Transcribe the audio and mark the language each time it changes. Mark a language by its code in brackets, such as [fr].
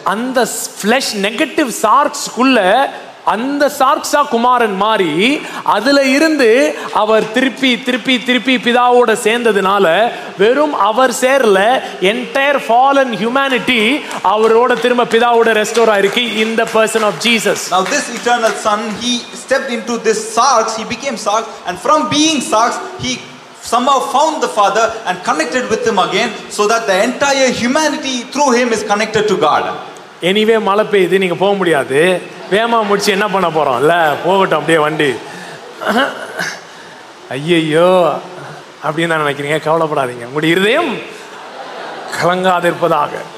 [ta] அந்த flesh negative sarks குள்ள அந்த சார்க்ஸா குமாரன் மாறி அதுல இருந்து அவர் திருப்பி திருப்பி திருப்பி பிதாவோட சேர்ந்ததுனால வெறும் அவர் சேரல, என்டையர் ஃபாலன் ஹியூமனிட்டி அவரோட திரும்ப பிதாவோட ரெஸ்டோர் ஆயிருக்கு. [en] In the person of Jesus. Now this eternal son, he stepped into this sarks, he became sarks, and from being sarks he somehow found the father and connected with him again, so that the entire humanity through him is connected to God. [ta] Anyway மலை பெய்து நீங்க போக முடியாது, வேமா முடிச்சு என்ன பண்ண போறோம் இல்ல போகட்டும் அப்படியே வண்டி ஐயையோ அப்படின்னு நினைக்கிறீங்க, கவலைப்படாதீங்க, உங்களுடைய இருதயம் கலங்காது இருப்பதாக.